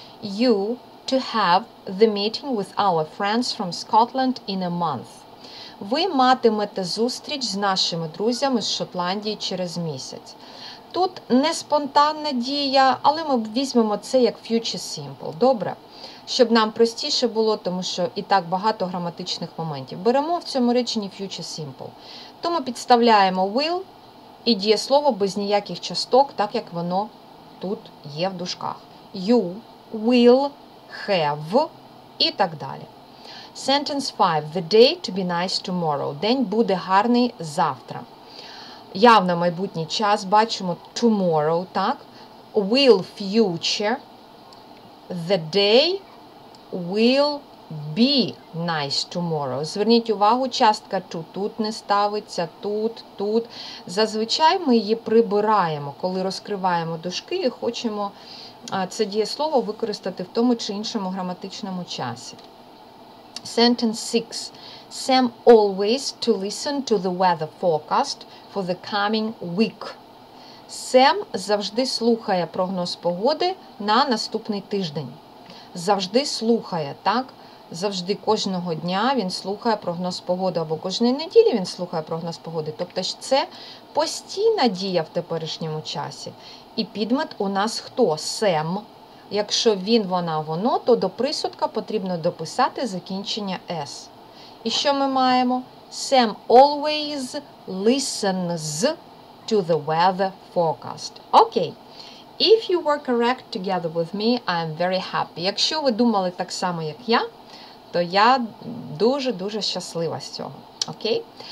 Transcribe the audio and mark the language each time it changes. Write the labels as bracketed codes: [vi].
[en] You to have the meeting with our friends from Scotland in a month. [uk] Ви матимете зустріч з нашими друзями з Шотландії через місяць. Тут не спонтанна дія, але ми візьмемо це як future simple. Добре? Щоб нам простіше було, тому що і так багато граматичних моментів. Беремо в цьому реченні future simple. Тому підставляємо will і дієслово без ніяких часток, так як воно тут є в дужках. [en] You will have [uk] і так далі. [en] Sentence 5. The day to be nice tomorrow. [uk] День буде гарний завтра. Явно майбутній час, бачимо tomorrow, так? [en] Will future, the day will be nice tomorrow. [uk] Зверніть увагу, частка to тут не ставиться, тут. Зазвичай ми її прибираємо, коли розкриваємо дужки і хочемо це дієслово використати в тому чи іншому граматичному часі. [en] Sentence 6. Sam always to listen to the weather forecast for the coming week. [uk] Сем завжди слухає прогноз погоди на наступний тиждень. Завжди слухає, так? Завжди кожного дня він слухає прогноз погоди, або кожної неділі він слухає прогноз погоди. Тобто ж це постійна дія в теперішньому часі. І підмет у нас хто? Сем. Якщо він, вона, воно, то до присудка потрібно дописати закінчення «с». І що ми маємо? [en] Sam always listens to the weather forecast. Окей. If you were correct together with me, I am very happy. [uk] Якщо ви думали так само, як я, то я дуже-дуже щаслива з цього. Окей?